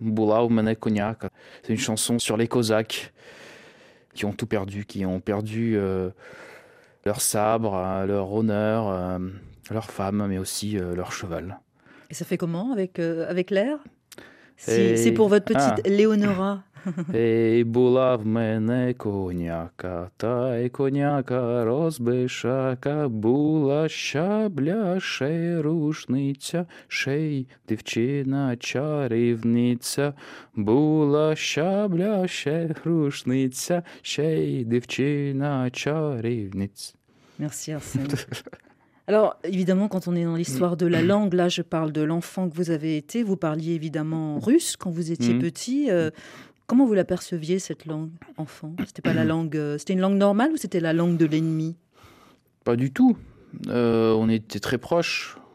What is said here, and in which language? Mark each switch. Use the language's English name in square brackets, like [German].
[Ukrainian] Bula u mene koniak, [French] c'est une chanson sur les Cosaques. Qui ont tout perdu, qui ont perdu leur sabre, leur honneur, leur femme, mais aussi leur cheval. Et ça fait comment avec l'air ? C'est pour votre petite Léonora. Et [Ukrainian] була в мене коняка, та й коняка розбишака, була щабля, шей рушниця, шей дівчина чарівниця, була щабля, шей рушниця, шей дівчина чарівниця. [French] Merci Arsène. Alors, évidemment, quand on est dans l'histoire de la langue, là, je parle de l'enfant que vous avez été. Vous parliez évidemment russe quand vous étiez petit. Comment vous l'aperceviez, cette langue, enfant ? C'était pas la langue, c'était une langue normale ou c'était la langue de l'ennemi ? Pas du tout. On était très proches.